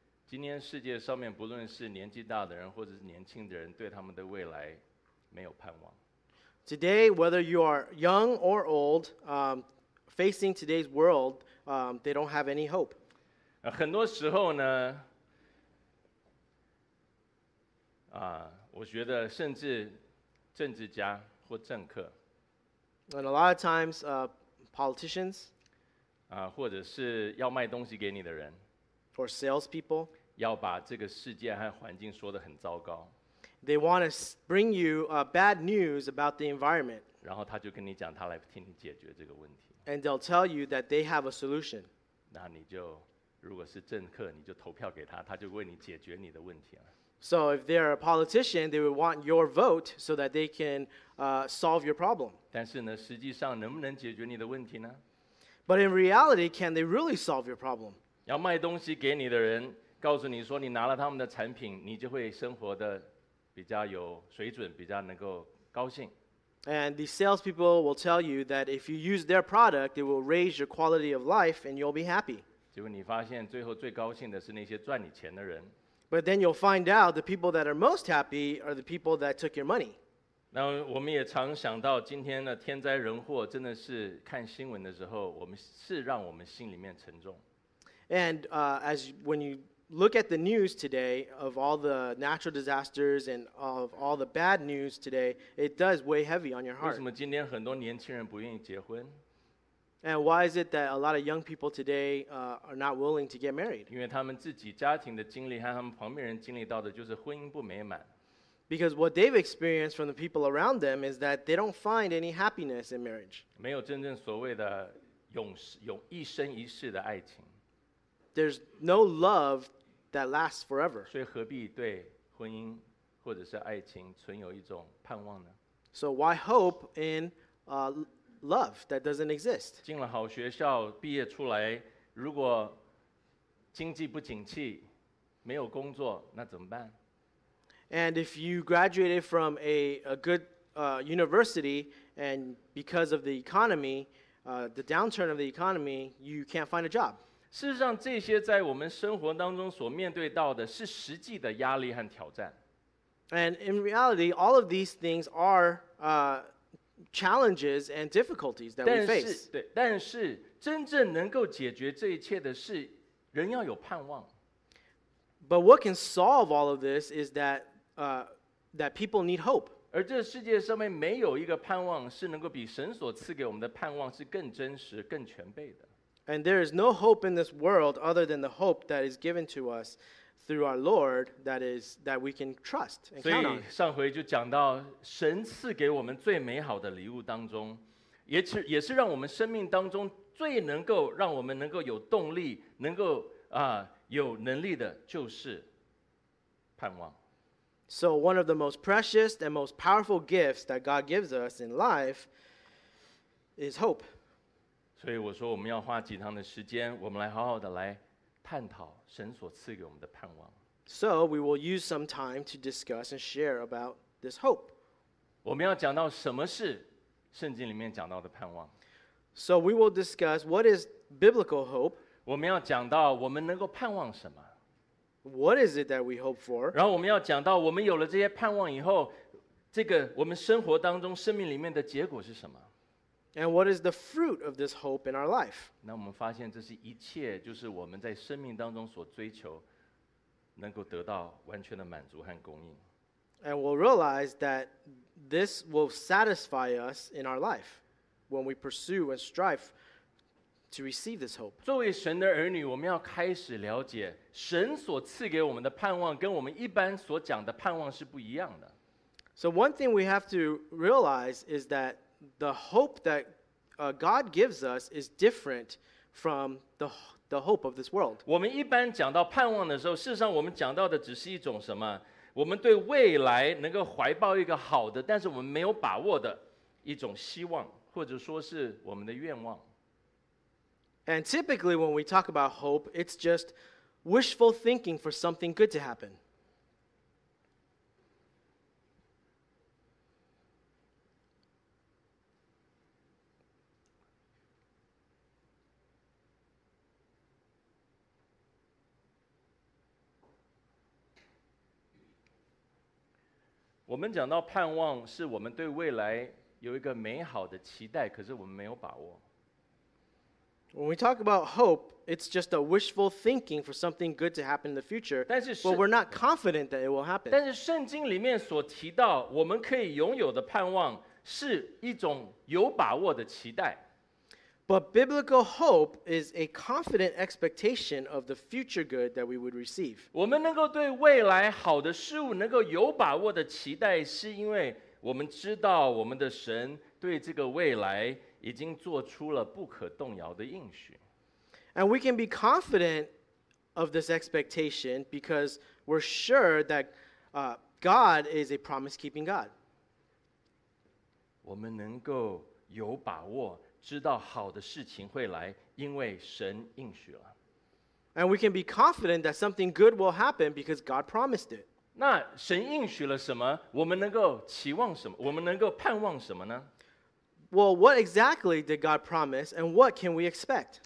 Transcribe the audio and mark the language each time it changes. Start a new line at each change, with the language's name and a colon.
Chinese: 今天世界上面不论是年纪大的人或者是年轻的人，对他们的未来没有盼望。
English: Today, whether you are young or old, facing today's world, they don't have any hope.
Chinese: 很多时候呢，我觉得甚至政治家或政客。
English: And a lot of times, politicians,
Chinese: 或者是要卖东西给你的人，
English: or salespeople,
Chinese: 要把这个世界和环境说得很糟糕。
English: They want to bring you bad news about the environment.
Chinese: 然后他就跟你讲，他来替你解决这个问题。
English: And they'll tell you that they have a solution.
Chinese: 那你就，如果是政客，你就投票给他，他就为你解决你的问题了。
English: So if they're a politician, they would want your vote so that they can solve your problem.
Chinese: 但是呢，实际上能不能解决你的问题呢？
English: But in reality, can they really solve your problem?
Chinese: 要卖东西给你的人，告诉你说你拿了他们的产品，你就会生活的比较有水准，比较能够高兴。
English: And the salespeople will tell you that if you use their product, it will raise your quality of life and you'll be happy.
Chinese: 结果你发现最后最高兴的是那些赚你钱的人。
English: But then you'll find out the people that are most happy are the people that took your money.
Chinese: 那我们也常想到今天的天灾人祸，真的是看新闻的时候，我们是让我们心里面沉重。
English: And as when you look at the news today of all the natural disasters and of all the bad news today, it does weigh heavy on your heart.
Chinese: 为什么今天很多年轻人不愿意结婚？
English: And why is it that a lot of young people today are not willing to get married?
Chinese: 因为他们自己家庭的经历和他们旁边人经历到的就是婚姻不美满。
English: Because what they've experienced from the people around them is that they don't find any happiness in marriage.
Chinese: 没有真正所谓的一生一世的爱情。
English: There's no love that lasts forever.
Chinese: 所以何必对婚姻或者是爱情存有一种盼望呢？
English: So why hope in love that doesn't exist.
Chinese: 进了好学校，毕业出来，如果经济不景气，没有工作，那怎么办？
English: And if you graduated from a good university, and because of the economy, the downturn of the economy, you can't find a job.
Chinese: 事实上，这些在我们生活当中所面对到的是实际的压力和挑战。
English: And in reality, all of these things are challenges and difficulties that we face.
Chinese: 但是真正能够解决这一切的是人要有盼望。
English: But what can solve all of this is that that people need hope.
Chinese: 而这世界上面没有一个盼望是能够比神所赐给我们的盼望是更真实更全备的。
English: And there is no hope in this world other than the hope that is given to us through our Lord, that is that we can trust and count on.
Chinese: 所以上回就讲到神赐给我们最美好的礼物当中，也是让我们生命当中最能够让我们能够有动力，能够有能力的，就是盼望。
English: So one of the most precious and most powerful gifts that God gives us in life is hope.
Chinese: 所以我说我们要花几堂的时间，我们来好好的来探讨神所赐给我们的盼望。
English: So we will use some time to discuss and share about this hope.
Chinese: 我们要讲到什么是圣经里面讲到的盼望。
English: So we will discuss what is biblical hope.
Chinese: 我们要讲到我们能够盼望什么。
English: What is it that we hope for?
Chinese: 然后我们要讲到我们有了这些盼望以后，这个我们生活当中生命里面的结果是什么。
English: And what is the fruit of this hope in our life?
Chinese: 那我们发现这是一切就是我们在生命当中所追求能够得到完全的满足和供应。
English: And we'll realize that this will satisfy us in our life when we pursue and strive to receive this hope.
Chinese: 作为神的儿女，我们要开始了解神所赐给我们的盼望跟我们一般所讲的盼望是不一样的。
English: So one thing we have to realize is thatThe hope that God gives us is different from the hope of this world.
Chinese: 我们一般讲到盼望的时候，事实上我们讲到的只是一种什么？我们对未来能够怀抱一个好的，但是我们没有把握的一种希望，或者说是我们的愿望。
English: And typically when we talk about hope, it's just wishful thinking for something good to happen.
Chinese: 我们讲到盼望是我们对未来有一个美好的期待，可是我们没有把握。
English: When we talk about hope, it's just a wishful thinking for something good to happen in the future, but we're not confident that it will happen.
Chinese: 但是圣经里面所提到我们可以拥有的盼望是一种有把握的期待。
English: But biblical hope is a confident expectation of the future good that we would receive.
Chinese: 我们能够对未来好的事物能够有把握的期待，是因为我们知道我们的神对这个未来已经做出了不可动摇的应许。
English: And we can be confident of this expectation because we're sure that God is a promise-keeping God.
Chinese: 我们能够有把握知道好的事情会来，因为神应许了。
English: And we can be confident that something good will happen because God promised it.
Chinese: 那神应许了什么？我们能够期望什么？我们能够盼望什么呢？
English: Well, what exactly did God promise, and what can we expect?